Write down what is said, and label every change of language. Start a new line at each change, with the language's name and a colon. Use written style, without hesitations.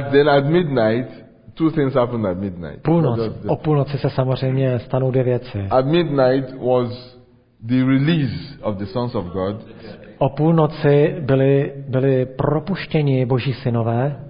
English: At midnight two things happen at midnight.
Czech: Půlnoc. O půlnoci se samozřejmě stanou dvě věci.
English: At midnight was the release of the sons of God.
Czech: O půlnoci byli propuštěni Boží synové.